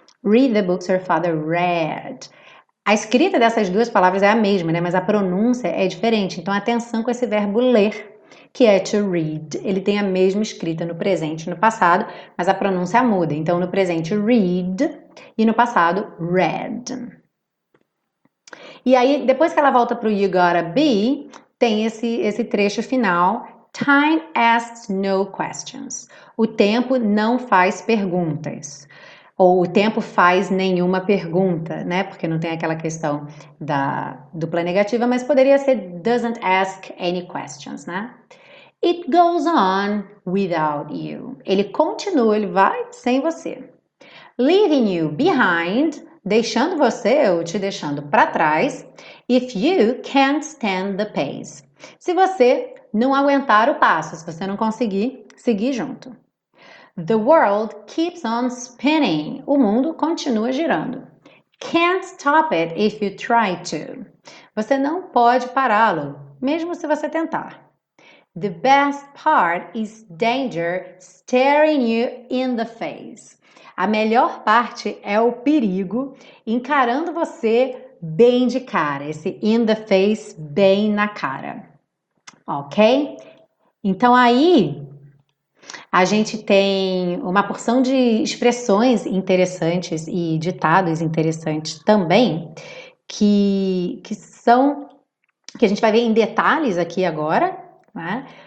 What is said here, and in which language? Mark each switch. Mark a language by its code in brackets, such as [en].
[en] Read the books your father read. [pt] A escrita dessas duas palavras é a mesma, né? Mas a pronúncia é diferente. Então, atenção com esse verbo ler, que é to read. Ele tem a mesma escrita no presente e no passado, mas a pronúncia muda. Então, no presente, read, e no passado, read. E aí, depois que ela volta para o [en] you gotta be, [pt] tem esse trecho final. [en] Time asks no questions. [pt] O tempo não faz perguntas. Ou o tempo faz nenhuma pergunta, né? Porque não tem aquela questão da dupla negativa, mas poderia ser [en] doesn't ask any questions, [pt] né? It goes on without you. Ele continua, ele vai sem você. [en] Leaving you behind, [pt] deixando você ou te deixando para trás, [en] if you can't stand the pace. [pt] Se você não aguentar o passo, se você não conseguir seguir junto. [en] The world keeps on spinning. [pt] O mundo continua girando. [en] Can't stop it if you try to. [pt] Você não pode pará-lo, mesmo se você tentar. [en] The best part is danger staring you in the face. [pt] A melhor parte é o perigo encarando você bem de cara, esse [en] in the face [pt] bem na cara. Ok? Então aí. A gente tem uma porção de expressões interessantes e ditados interessantes também, que são, que a gente vai ver em detalhes aqui agora, né?